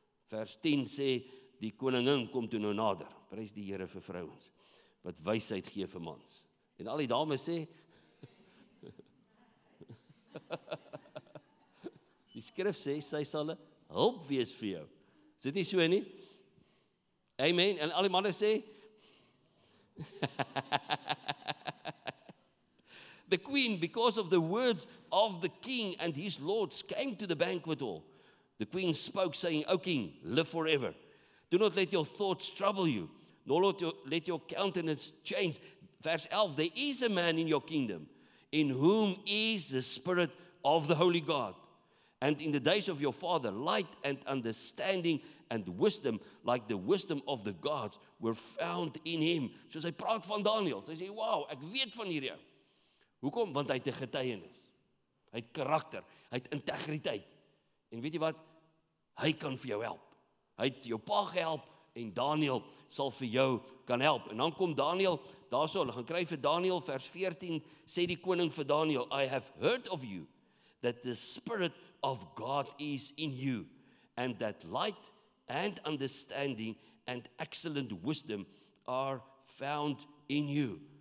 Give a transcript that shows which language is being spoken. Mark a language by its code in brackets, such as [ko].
[af] Vers 10 sê, die koningin kom toe nou nader. Prys die Here vir vrouens, wat wysheid gee vir mans. En al die dames sê, die skrif sê, sy sal hulp wees vir jou. Is dit nie so nie? Amen. En al die manne sê, [en] the queen, because of the words of the king and his lords, came to the banquet hall. The queen spoke, saying, O king, live forever. Do not let your thoughts trouble you. let your countenance change. Verse 11, there is a man in your kingdom in whom is the spirit of the Holy God. And in the days of your father, light and understanding and wisdom, like the wisdom of the gods, were found in him. [af] So sy praat van Daniel. Sy sê, wow, ek weet van hierdie. Hoekom? Want hy het 'n getuienis. Hy het karakter. Hy het integriteit. En weet jy wat? Hy kan vir jou help. Hy het jou pa gehelp en Daniel sal vir jou kan help. En dan kom Daniel, daar sal, gaan kry vir Daniel, [en] vers 14, sê die koning vir Daniel, I have heard of you that the spirit of God is in you and that light and understanding and excellent wisdom are found in you.